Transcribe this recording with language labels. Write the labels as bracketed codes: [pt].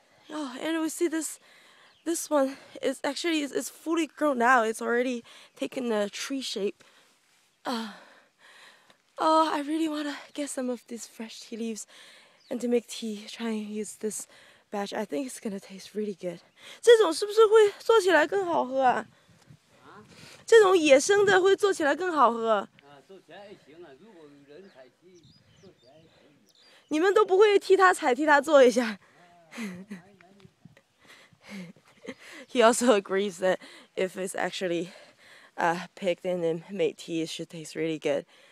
[en] Oh, and we see this one is actually is fully grown now. It's already taken a tree shape. I really want to get some of these fresh tea leaves and to make tea, try and use this batch. I think it's going to taste really good. [zh] 这种是不是会做起来更好喝?这种野生的会做起来更好喝? 做起来也行啊,如果有人采集, 做起来也可以。你们都不会替他采,替他做一下? [en] He also agrees that if it's actually picked and then made tea, it should taste really good.